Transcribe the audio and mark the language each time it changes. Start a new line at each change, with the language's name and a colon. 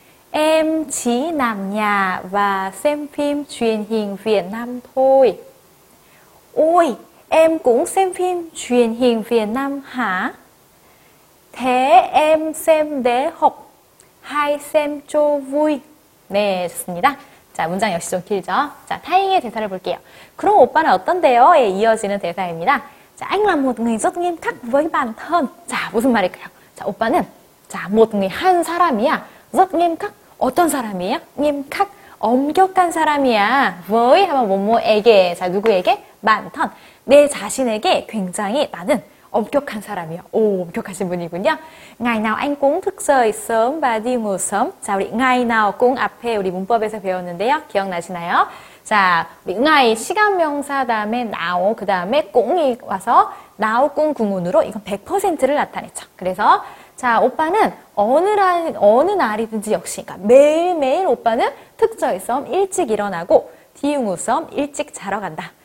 Vietnamese: Em chỉ nằm nhà và xem phim truyền hình Việt Nam thôi. Ôi, em cũng xem phim truyền hình Việt Nam hả? Thế em xem để học hay xem cho vui.
Korean: 네, 좋습니다. 자, 문장 역시 좀 길죠? 자, 타잉의 대사를 볼게요. 그럼 오빠는 어떤데요? 에 이어지는 대사입니다.
Vietnamese: 자, anh là một người rất nghiêm khắc với bản thân.
Korean: 자, 무슨 말일까요? 자, 오빠는 자,
Vietnamese: một người
Korean: 한 사람이야.
Vietnamese: rất nghiêm khắc
Korean: 어떤 사람이에요?
Vietnamese: nghiêm khắc
Korean: 엄격한 사람이야.
Vietnamese: với
Korean: 하면 뭐뭐에게. 자, 누구에게? 반턴. 내 자신에게 굉장히 나는 엄격한 사람이야. 오, 엄격하신 분이군요.
Vietnamese: ngày nào anh cũng thức dậy sớm và đi ngủ sớm.
Korean: 자, 우리
Vietnamese: ngày nào cũng
Korean: 앞에 우리 문법에서 배웠는데요. 기억나시나요? 자, 우리 ngày 시간 명사 다음에 now 그 다음에 꽁이 와서 now 꽁 구문으로 이건 100%를 나타냈죠. 그래서 자, 오빠는 어느 날이든지 역시, 그러니까 매일매일 오빠는 특저에서 일찍 일어나고, 디웅우섬 일찍 자러 간다.